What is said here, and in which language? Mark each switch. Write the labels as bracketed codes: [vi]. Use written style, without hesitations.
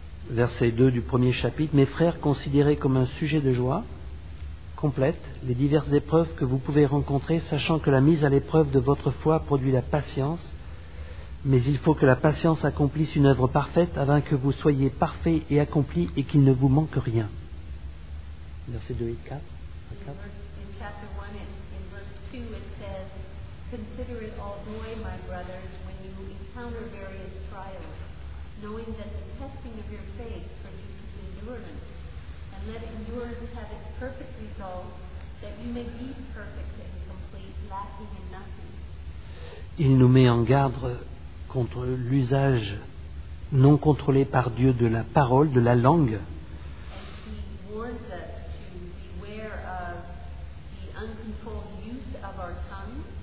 [fr] Verset 2 du premier chapitre. Mes frères, considérez comme un sujet de joie complète les diverses épreuves que vous pouvez rencontrer, sachant que la mise à l'épreuve de votre foi produit la patience. Mais il faut que la patience accomplisse une œuvre parfaite afin que vous soyez parfaits et accomplis et qu'il ne vous manque rien. Verset 2 et 4. [en] In chapter 1, in verse 2, it says, consider it all joy, my brothers, when you encounter various trials, knowing that the testing of your faith produces endurance, and let endurance have its perfect result, that you may be perfect and complete, lacking in nothing. [fr] Il nous met en garde contre l'usage non contrôlé par Dieu de la parole, de la langue. [en] And he warns us to beware of the uncontrolled use of our tongue.